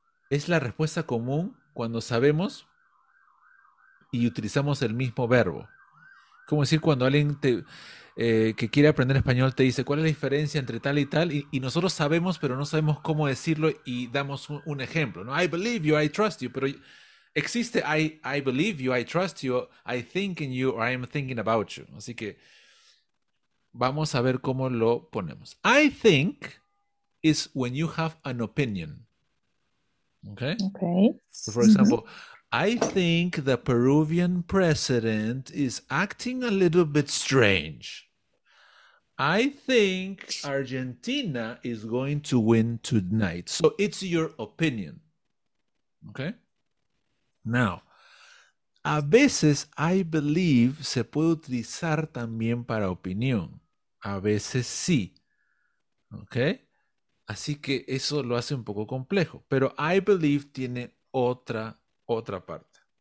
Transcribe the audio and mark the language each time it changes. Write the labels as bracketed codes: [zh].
[es] Es la respuesta común cuando sabemos y utilizamos el mismo verbo. Como decir, cuando alguien que quiere aprender español te dice, ¿cuál es la diferencia entre tal y tal? Y nosotros sabemos, pero no sabemos cómo decirlo y damos un ejemplo, ¿no? [en] I believe you, I trust you, [es] pero... Existe, [en] I believe you, I trust you, I think in you, or I am thinking about you. [es] Así que vamos a ver cómo lo ponemos. [en] I think is when you have an opinion. Okay? Okay. So for example, I think the Peruvian president is acting a little bit strange. I think Argentina is going to win tonight. So it's your opinion. Okay? Now, [es] a veces I believe se puede utilizar también para opinión. A veces sí. Okay? Así que eso lo hace un poco complejo. Pero I believe tiene otra parte.